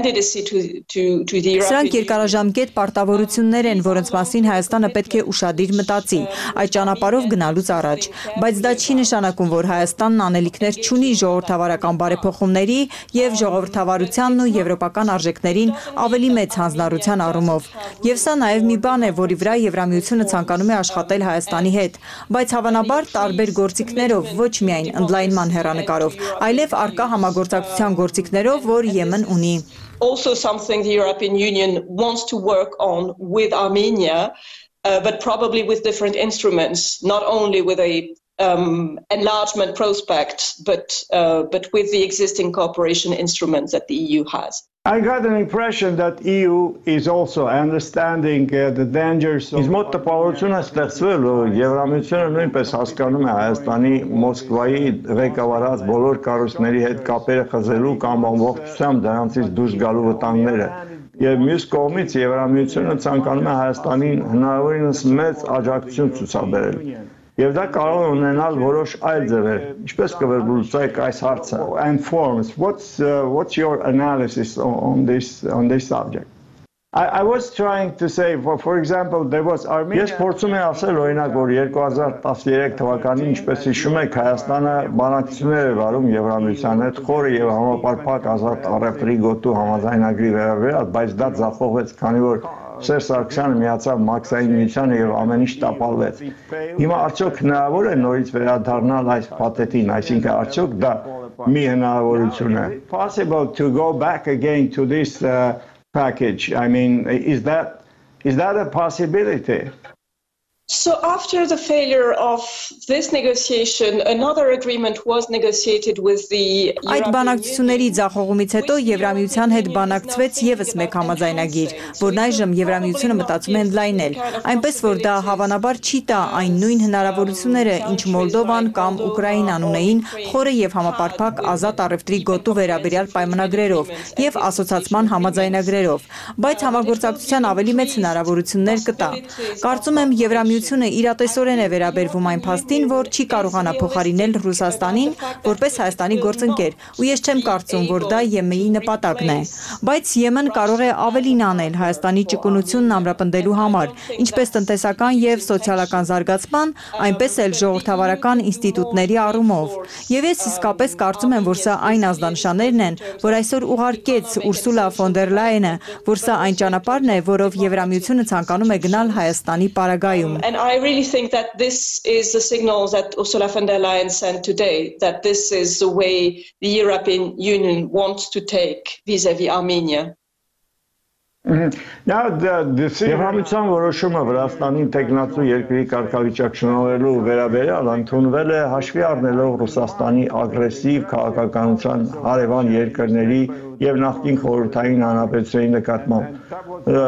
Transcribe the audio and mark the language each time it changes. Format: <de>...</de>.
<hy>Սրանք երկարաժամկետ պարտավորություններ են, որոնց մասին Հայաստանը պետք է ուշադիր մտածի այդ ճանապարհով գնալուց առաջ, բայց դա չի նշանակում, որ Հայաստանն անելիքներ չունի ժողովրդավարական բարեփոխումների եւ ժողովրդավարությանն ու եվրոպական արժեքներին ավելի մեծ հանձնարարության առումով։ Եվ սա նաեւ մի բան է, որի վրա Եվրամիությունը ցանկանում է աշխատել Հայաստանի հետ, բայց հավանաբար տարբեր գործիքներով, ոչ միայն ընդլայնման հերանեկարով, այլև արկա համագործակցության գործիքներով, որ Եմեն ունի։</hy> <en>Also something the European Union wants to work on with Armenia, but probably with different instruments, not only with a enlargement prospect, but with the existing cooperation instruments that the EU has. I got an impression that EU is also understanding the dangers of.</en> <hy>Իսկ մոտ տպավորությունը ստեղծվել, որ Եվրամիությունը նույնպես հասկանում է Հայաստանի Մոսկվայի ղեկավարած բոլոր կարուսների հետ կապերը խզելու կամ ամբողջությամբ դրանից դուրս գալու վտանգները, եւ մյուս կողմից Եվրամիությունը ցանկանում է Հայաստանին հնարավորինս մեծ աջակցություն ցուցաբերել։ Եվ դա կարող է ունենալ որոշ այլ ձևեր։ Ինչպես կվերլուծեք այս հարցը?</hy> <en>And forms, what's your analysis on this subject? I was trying to say, for example, there was Armenia.</en> <hy>Ես փորձում եմ ասել, օրինակ, որ 2013 թվականին, ինչպես հիշում եք, Հայաստանը բանակցություններ էր վարում Եվրամիության հետ խորը եւ համապարփակ ազատ առևտրի գոտու համաձայնագրի վերաբերյալ, բայց դա ձախողվեց, քանի որ Սերժ Սարգսյանը միացավ Մաքսային միությանը եւ ամեն ինչ տապալվեց։ Հիմա արդյոք հնարավոր է նորից վերադառնալ այս պատետին, այսինքն արդյոք դա մի հնարավորություն է։</hy> <en>Possible to go back again to this package. I mean, is that a possibility? So after the failure of this negotiation, another agreement was negotiated with the</en> <hy>Այդ բանակցությունների ձախողումից հետո Եվրամիության հետ բանակցվեց եւս մեկ համաձայնագիր, որն այժմ Եվրամիությունը մտածում է ընդլայնել, այնպես որ դա հավանաբար չի տա այն նույն հնարավորությունները, ինչ Մոլդովան կամ Ուկրաինան ունեին խորը եւ համապարփակ ազատ առևտրի գոտու վերաբերյալ պայմանագրերով եւ ասոցացման համաձայնագրերով, բայց համագործակցության ավելի մեծ հնարավորություններ կտա։ Կարծում եմ, Եվրամիությունը միությունը իրատեսորեն է վերաբերվում այն փաստին, որ չի կարողանա փոխարինել Ռուսաստանին որպես Հայաստանի գործընկեր, ու ես չեմ կարծում, որ դա ԵՄ-ի նպատակն է, բայց ԵՄ-ն կարող է ավելին անել Հայաստանի ճկունությունն ամրապնդելու համար, ինչպես տնտեսական եւ սոցիալական զարգացման, այնպես էլ ժողովրդավարական ինստիտուտների առումով։ Եվ ես իսկապես կարծում եմ, որ սա այն ազդանշաններն են, որ այսօր ուղարկեց Ուրսուլա ֆոն դեր Լայենը, որ սա այն ճանապարհն է, որով Եվրամիությունը ցանկանում է գնալ Հայաստանի պարագայում։</hy> <en>And I really think that this is the signal that Ursula von der Leyen sent today, that this is the way the European Union wants to take vis-à-vis Armenia. Now the</en> <hy>Եվրամիության որոշումը Վրաստանին տեղնացու երկրի կարգավիճակ շնորհելու վերաբերյալ ընդունվել է հաշվի առնելով Ռուսաստանի ագրեսիվ քաղաքականության հարևան երկրների եւ նախկին խորհրդային հանրապետությունների նկատմամբ։</hy>